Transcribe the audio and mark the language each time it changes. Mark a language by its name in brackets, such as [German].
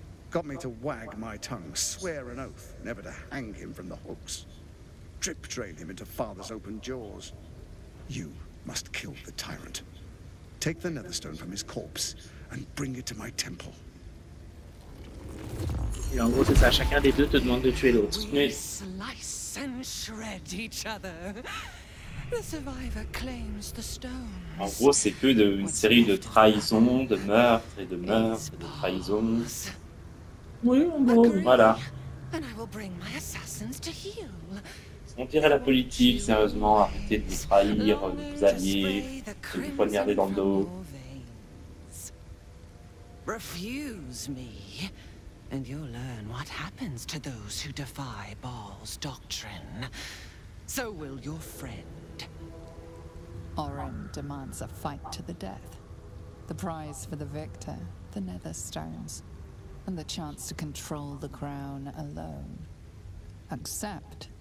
[English] Got me to wag my tongue, swear an oath never to hang him from the hooks. Drip drain him into father's open jaws. You must kill the tyrant. Take the Netherstone from his corpse and bring it to my temple. [French] Et en gros, c'est ça. Chacun des deux te demande de tuer l'autre. [English] We slice and shred each other. The survivor claims the stones. [French] En gros, c'est que d'une série de trahisons, de meurtres et de meurtres et de trahisons. Oui, en gros, voilà. [English] And I will bring my assassins to heal. [French] On dirait la politique, sérieusement, arrêtez de vous trahir, de vous allier, de vous poignarder dans le dos. [English] Refuse me, and you'll learn what happens to those who defy Baal's doctrine. So will your friend. Orin demands a fight to the death. The prize for the victor, the Netherstones, and the chance to control the crown alone. Accept.